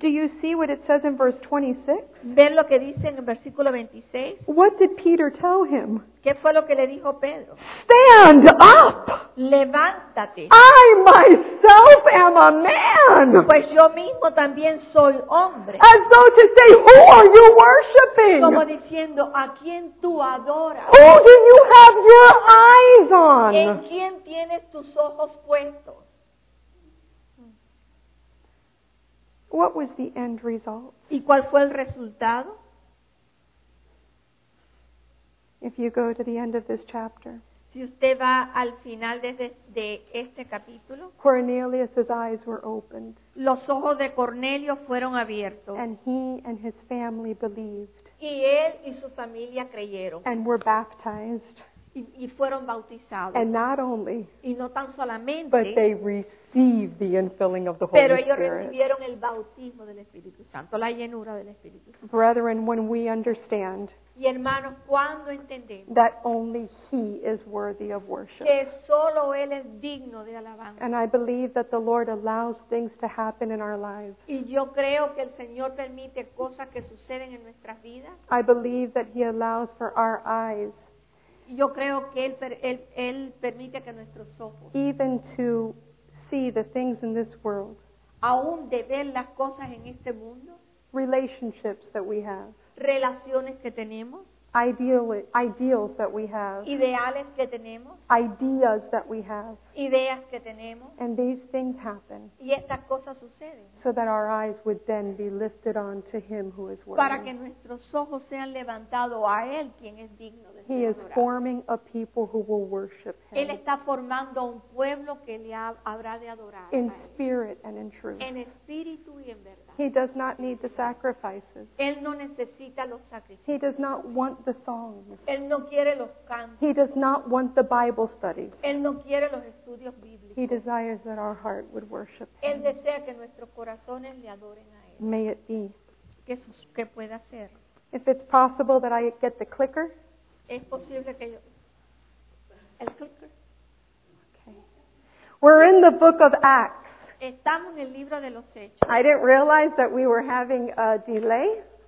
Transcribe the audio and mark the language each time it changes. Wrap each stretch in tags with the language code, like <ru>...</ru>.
<en>Do you see what it says in verse 26?</en> <es>¿Ven lo que dice en el versículo 26?</es> <en>What did Peter tell him?</en> <es>¿Qué fue lo que le dijo Pedro?</es> <en>Stand up!</en> <es>Levántate.</es> <en>I myself am a man.</en> <es>Pues yo mismo también soy hombre.</es> <en>As though to say, who are you worshiping?</en> <es>Como diciendo, ¿a quién tú adoras?</es> <en>Who do you have your eyes on?</en> <es>¿En quién tienes tus ojos puestos?</es> <en>What was the end result?</en> <es>¿Y cuál fue el resultado?</es> <en>If you go to the end of this chapter,</en> <es>si usted va al final de este capítulo,</es> <en>Cornelius's eyes were opened.</en> <es>Los ojos de Cornelio fueron abiertos.</es> <en>And he and his family believed.</en> <es>Y él y su familia creyeron.</es> <en>And were baptized.</en> <es>Y fueron bautizados.</es> <en>And not only,</en> <es>y no tan solamente,</es> <en>but they received the infilling of the Holy Spirit.</en> <es>Pero ellos recibieron el bautismo del Espíritu Santo, la llenura del Espíritu Santo.</es> <en>Brethren, when we understand,</en> <es>y hermanos, cuando entendemos,</es> <en>that only He is worthy of worship,</en> <es>que solo Él es digno de alabanza,</es> <en>and I believe that the Lord allows things to happen in our lives,</en> <es>y yo creo que el Señor permite cosas que suceden en nuestras vidas,</es> <en>I believe that He allows for our eyes,</en> <es>yo creo que él permite que nuestros ojos,</es> <en>even to see the things in this world,</en> <es>aún de ver las cosas en este mundo,</es> <en>relationships that we have,</en> <es>relaciones que tenemos,</es> <en>ideals that we have,</en> <es>ideales que tenemos,</es> <en>ideas that we have,</en> <es>ideas que tenemos,</es> <en>and these things happen,</en> <es>y estas cosas suceden,</es> <en>so that our eyes would then be lifted on to Him who is worthy,</en> <es>para que nuestros ojos sean levantados a Él, quien es digno de ser adorado.</es> <en>He is forming a people who will worship Him.</en> <es>Él está formando un pueblo que le habrá de adorar.</es> <en>In spirit and in truth.</en> <es>En espíritu y en verdad.</es> <en>He does not need the sacrifices.</en> <es>Él no necesita los sacrificios.</es> <en>He does not want the songs.</en> <es>Él no quiere los cantos.</es> <en>He does not want the Bible studies.</en> <es>Él no quiere los estudios bíblicos.</es> <en>He desires that our heart would worship Him.</en> <es>Él desea que nuestros corazones le adoren a Él.</es> <en>May it be.</en> <es>Que pueda ser.</es> <en>If it's possible that I get the clicker.</en> <es>Es posible que yo. El clicker.</es> <en>Okay. We're in the book of Acts.</en> <es>Estamos en el libro de los Hechos.</es> <en>I didn't realize that we were having a delay.</en>